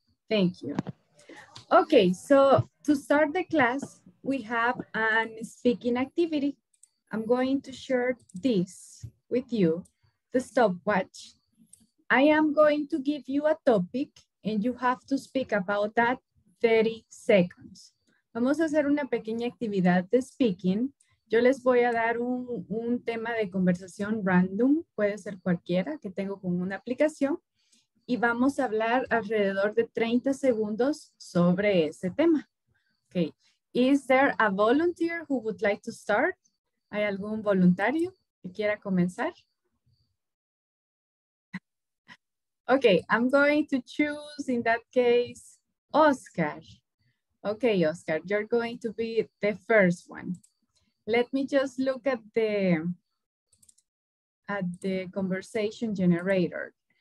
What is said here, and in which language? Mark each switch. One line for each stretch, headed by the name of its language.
English: Thank you. Okay, so to start the class, we have a speaking activity. I'm going to share this with you, the stopwatch. I am going to give you a topic and you have to speak about that 30 seconds.
Spanish: Vamos a hacer una pequeña actividad de speaking. Yo les voy a dar un tema de conversación random, puede ser cualquiera que tengo con una aplicación y vamos a hablar alrededor de 30 segundos sobre ese tema.
English: Okay. Is there a volunteer who would like to start?
Spanish: ¿Hay algún voluntario que quiera comenzar?
English: Okay, I'm going to choose in that case, Oscar. Okay, Oscar, you're going to be the first one. Let me just look at the conversation generator.